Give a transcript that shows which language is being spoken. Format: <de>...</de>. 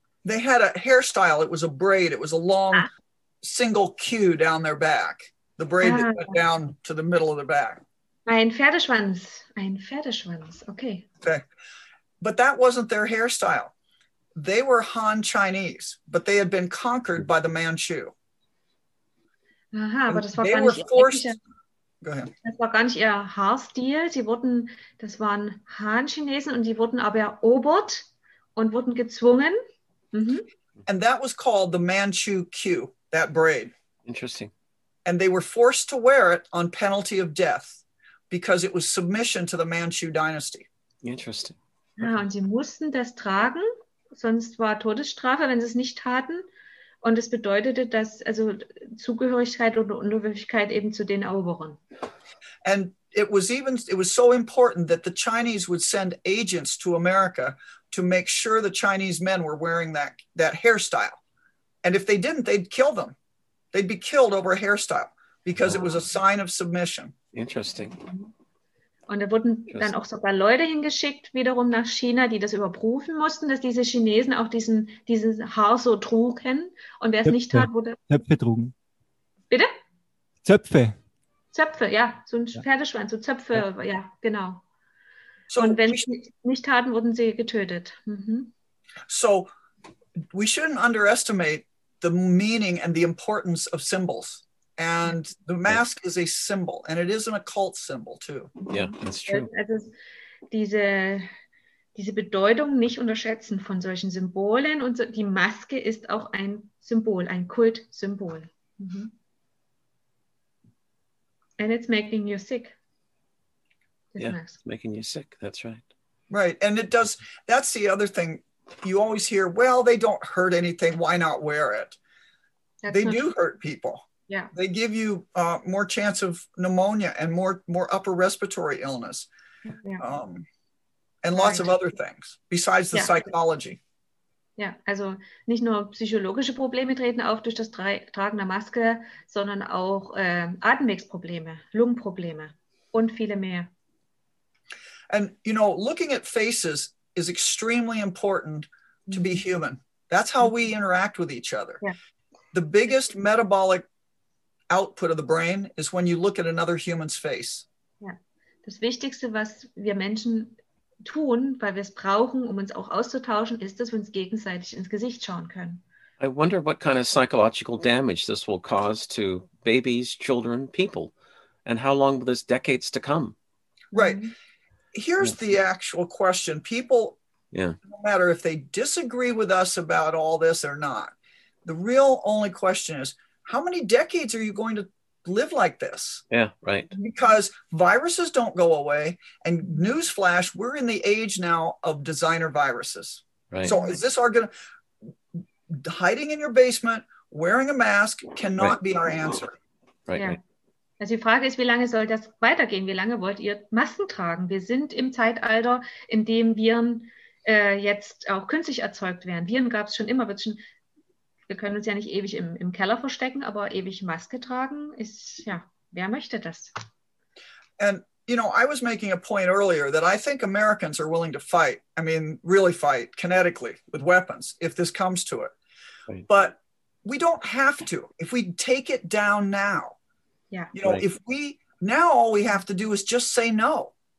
<en>They had a hairstyle, it was a braid, it was a long single queue down their back. The braid that went down to the middle of the back.</en> <de>Ein Pferdeschwanz, okay.</de> <en>Okay. But that wasn't their hairstyle. They were Han Chinese, but they had been conquered by the Manchu.</en> <de>Aha, aber</de> <en>And</en> <de>das war</de> <en>they</en> <de>gar</de> <en>were</en> <de>nicht ihr</de> <en>forced.</en> <de>ethnischer,</de> <en>Go ahead.</en> <de>das war gar nicht ihr Haarstil. Das waren Han-Chinesen und die wurden aber erobert und wurden gezwungen.</de> <en>And that was called the Manchu queue, that braid. Interesting. And they were forced to wear it on penalty of death because it was submission to the Manchu dynasty. Interesting.</en> <de>Ja,</de> <en>Okay.</en> <de>und sie mussten das tragen, sonst war Todesstrafe, wenn sie es nicht taten. Und es bedeutete, dass also Zugehörigkeit oder Unterwürfigkeit eben zu den Eroberern.</de> <en>And it was so important that the Chinese would send agents to America to make sure the Chinese men were wearing that hairstyle. And if they didn't, they'd kill them. They'd be killed over a hairstyle because it was a sign of submission. Interesting.</en> <de>Und da wurden dann auch</de> <en>Interesting.</en> <de>sogar Leute hingeschickt, wiederum nach China, die das überprüfen mussten, dass diese Chinesen auch diesen Haar so trugen. Und wer es nicht tat, Töpfe. wurde. Töpfe trugen. Bitte? Zöpfe. Zöpfe, ja, so ein Pferdeschwanz, so Zöpfe, ja, genau. Und</de> <en>So wenn sie es nicht taten, wurden sie getötet. we shouldn't underestimate the meaning and the importance of symbols. And the mask is a symbol, and it is an occult symbol too. Yeah, that's true.</en> <de>Also diese Bedeutung nicht unterschätzen von solchen Symbolen und so, die Maske ist auch ein Symbol, ein Kultsymbol.</de> <en>And it's making you sick, this Yeah, mask. it's making you sick. That's right. Right, and it does. That's the other thing you always hear, well, they don't hurt anything. Why not wear it? They do hurt people. Yeah. They give you more chance of pneumonia and more upper respiratory illness. Yeah. And lots of other things besides the psychology.</en> <de>Ja, also nicht nur psychologische Probleme treten auf durch das Tragen der Maske, sondern auch Atemwegsprobleme, Lungenprobleme und viele mehr.</de> <en>And you know, looking at faces is extremely important to be human. That's how we interact with each other. Yeah. The biggest metabolic output of the brain is when you look at another human's face.</en> <de>Ja. Das Wichtigste, was wir Menschen tun, weil wir es brauchen, um uns auch auszutauschen, ist, dass wir uns gegenseitig ins Gesicht schauen können.</de> <en>I wonder what kind of psychological damage this will cause to babies, children, people, and how long will this decades to come? Right. Here's the actual question. People, no matter if they disagree with us about all this or not, the real only question is, how many decades are you going to live like this? Yeah, right. Because viruses don't go away. And newsflash, we're in the age now of designer viruses. Right. So is this our gonna hiding in your basement, wearing a mask cannot be our answer. Right. Yeah. Right.</en> <de>Also die Frage ist, wie lange soll das weitergehen? Wie lange wollt ihr Masken tragen? Wir sind im Zeitalter, in dem Viren jetzt auch künstlich erzeugt werden. Viren gab es schon immer, wird schon. Wir können uns ja nicht ewig im Keller verstecken, aber ewig Maske tragen ist, ja, wer möchte das?</de> <en>And, you know, I was making a point earlier that I think Americans are willing to fight, I mean, really fight, kinetically, with weapons, if this comes to it. But we don't have to, if we take it down now. Yeah. You know, if we, now all we have to do is just say no.</en>